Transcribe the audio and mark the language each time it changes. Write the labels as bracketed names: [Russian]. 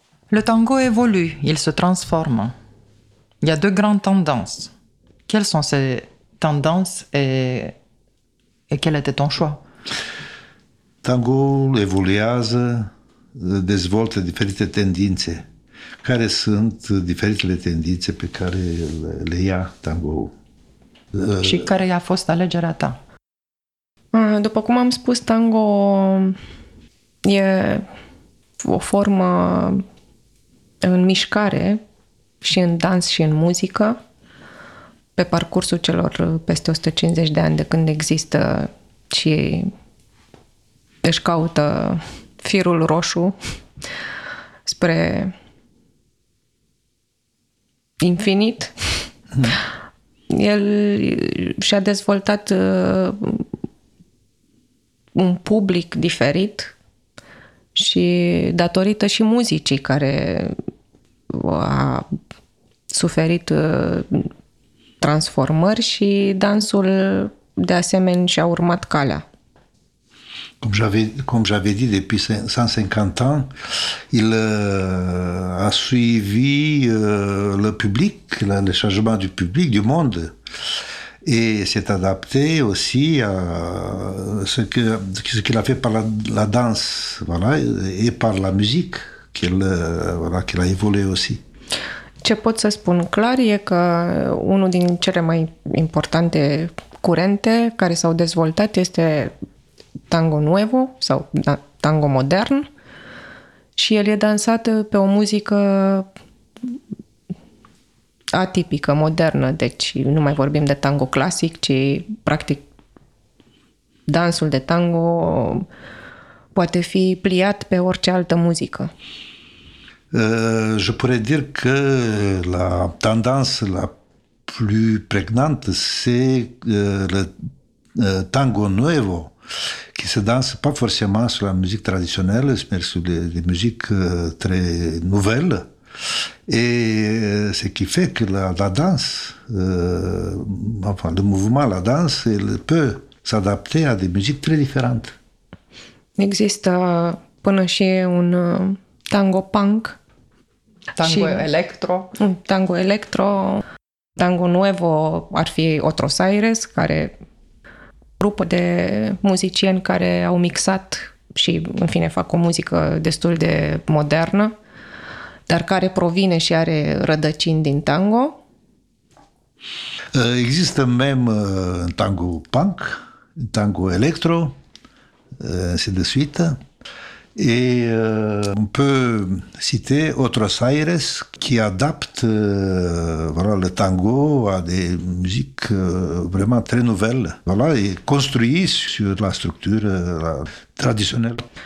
[French] Le tango évolue, il se transforme. Il y a deux grandes tendances. Quelles sont ces tendances et quel était ton choix? [Romanian] Tangoul evoluează, dezvoltă diferite tendințe. Care sunt diferitele tendințe pe care le ia tangoul? Și care a fost alegerea ta? După cum am spus, tango e o formă în mișcare și în dans și în muzică pe parcursul celor peste 150 de ani de când există și își caută firul roșu spre infinit. El și-a dezvoltat un public diferit și datorită și muzicii care a suferit transformări și dansul de asemenea și-a urmat calea. [French] Comme j'avais dit, depuis 150 ans, il a suivi le public, le changement du public, du monde, et s'est adapté aussi à ce qu'il a fait par la danse, voilà, et par la musique, qu'il a évolué aussi. [Romanian] Ce pot să spun clar e că unul din cele mai importante curente care s-au dezvoltat este tango nuevo sau tango modern și el e dansat pe o muzică atipică, modernă, deci nu mai vorbim de tango clasic, ci practic dansul de tango poate fi pliat pe orice altă muzică. [French] Je pourrais dire que la tendance la plus pregnante c'est le tango nuevo qui se danse pas forcément sur la musique traditionnelle, mais sur des musiques très nouvelles. Et ce qui fait que la danse, enfin, le mouvement, la danse, elle peut s'adapter à des musiques très différentes. Il existe aussi un tango punk. Tango électro. Un tango électro. [Romanian] Tango nuevo, ar fi Otros Aires, care grupă de muzicieni care au mixat și, în fine, fac o muzică destul de modernă, dar care provine și are rădăcini din tango. Există mem tango punk, tango electro, se desuită, [French] et on peut citer Otros Aires qui adapte voilà, le tango à des musiques vraiment très nouvelles voilà, et construit sur la structure traditionnelle.